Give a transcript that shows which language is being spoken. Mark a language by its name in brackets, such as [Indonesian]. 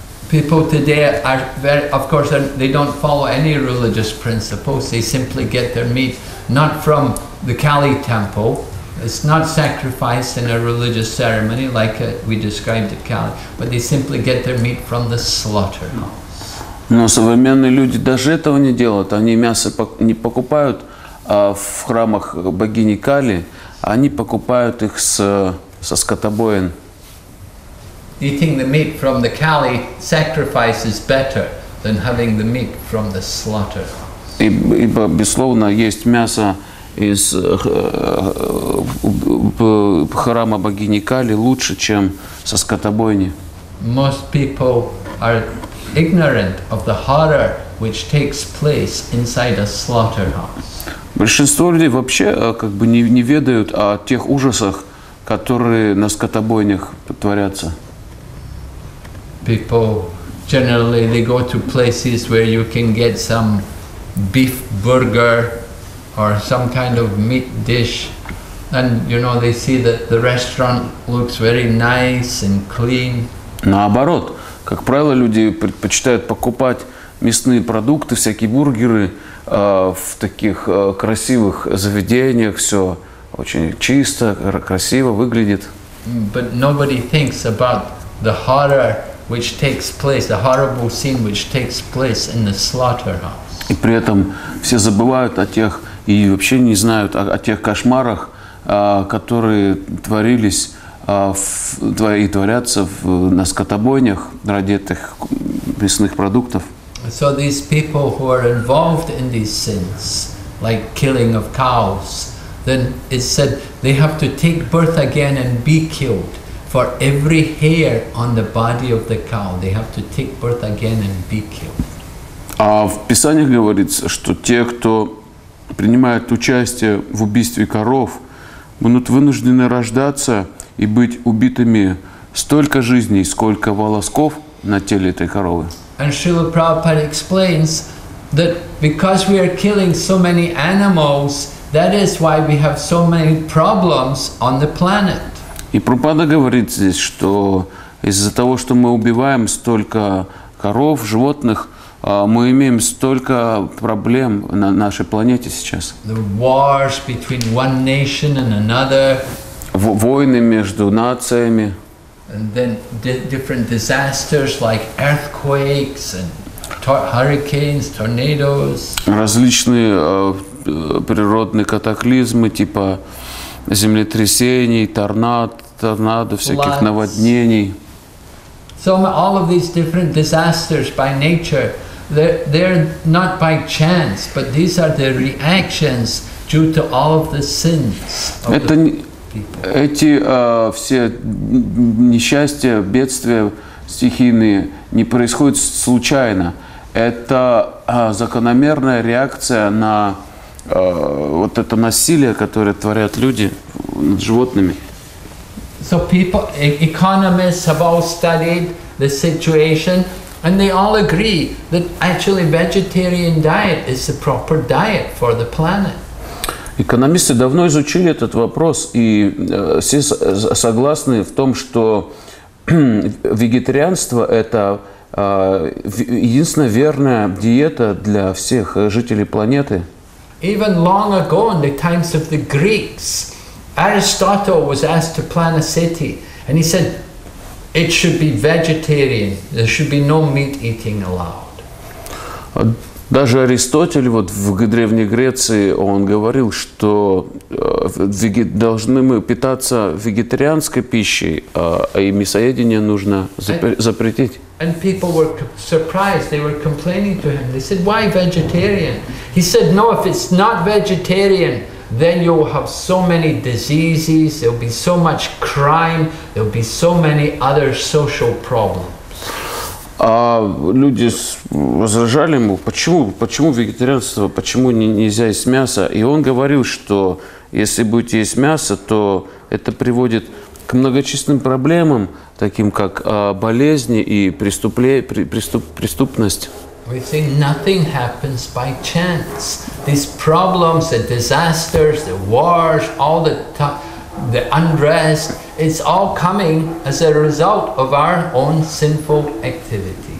[English] People today are very, of course, they don't follow any religious principles. They simply get their meat not from the Kali temple. It's not sacrificed in a religious ceremony like we described at Kali, but they simply get their meat from the slaughterhouse. [Russian] Но современные люди даже этого не делают. Они мясо не покупают в храмах богини Кали, они покупают их со скотобоин. [English] Eating the meat from the Kali sacrifice is better than having the meat from the slaughterhouse. [Russian] Ибо, безусловно, есть мясо из храма богини Кали лучше, чем со скотобойни. [English] Most people are ignorant of the horror which takes place inside a slaughterhouse. [Russian] Большинство людей вообще как бы не ведают о тех ужасах, которые на скотобойнях творятся. [English] People generally they go to places where you can get some beef burger or some kind of meat dish, and you know they see that the restaurant looks very nice and clean. [Russian] Наоборот, как правило, люди предпочитают покупать мясные продукты, всякие бургеры в таких красивых заведениях, все очень чисто, красиво выглядит. [English] But nobody thinks about the horror which takes place, the horrible scene which takes place in the slaughterhouse. [Russian] И при этом все забывают о тех и вообще не знают о тех кошмарах, которые творятся на скотобойнях ради этих мясных продуктов. [English] So these people who are involved in these sins, like killing of cows, then it said they have to take birth again and be killed. For every hair on the body of the cow, they have to take birth again and be killed. [Russian] А в Писаниях говорится, что те, кто принимает участие в убийстве коров, будут вынуждены рождаться и быть убитыми столько жизней, сколько волосков на теле этой коровы. [English] And Srila Prabhupada explains that because we are killing so many animals, That is why we have so many problems on the planet. [Russian] И Прабхупада говорит здесь, что из-за того, что мы убиваем столько коров, животных, мы имеем столько проблем на нашей планете сейчас. [English] The wars between one nation and another. [Russian] Войны между нациями. [English] And then different disasters like earthquakes and hurricanes, tornadoes. [Russian] Различные природные катаклизмы типа землетрясений, торнадо, всяких наводнений. [English] So all of these different disasters by nature, they're not by chance, but these are the reactions due to all of the sins. [Russian] Эти все несчастья, бедствия стихийные не происходят случайно. Это закономерная реакция на вот это насилие, которое творят люди над животными. [English] So people, economists have all studied the situation, and they all agree that actually vegetarian diet is the proper diet for the planet. [Russian] Экономисты давно изучили этот вопрос, и все согласны в том, что вегетарианство – это единственная верная диета для всех жителей планеты. [English] Even long ago, in the times of the Greeks, Aristotle was asked to plan a city, and he said, it should be vegetarian, there should be no meat eating allowed. [Russian] Даже Аристотель вот в Древней Греции, он говорил, что должны мы питаться вегетарианской пищей, а и мясоедение нужно запретить. [English] And people were surprised, they were complaining to him. They said, why vegetarian? He said, no, if it's not vegetarian, then you will have so many diseases, there will be so much crime, there will be so many other social problems. [Russian] А люди возражали ему, почему вегетарианство, почему нельзя есть мясо? И он говорил, что если будете есть мясо, то это приводит к многочисленным проблемам, таким как болезни и преступность. [English] We say nothing happens by chance. These problems, the disasters, the wars, all the unrest, it's all coming as a result of our own sinful activity.